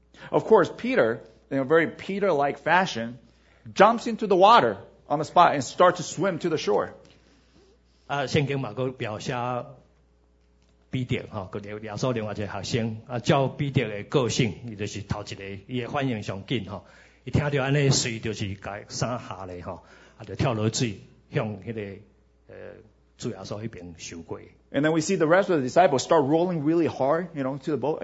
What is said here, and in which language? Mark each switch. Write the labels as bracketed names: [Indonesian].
[English] Of course, Peter, in a very Peter-like fashion, jumps into the water on the spot and starts to swim to the shore. [Min Nan Chinese] 圣经嘛，佮描写彼得哈，佮耶稣另外一个学生，啊，照彼得的个性，伊就是头一个，伊的反应上紧哈。 [English] And then we see the rest of the disciples start rolling really hard, you know, to the boat.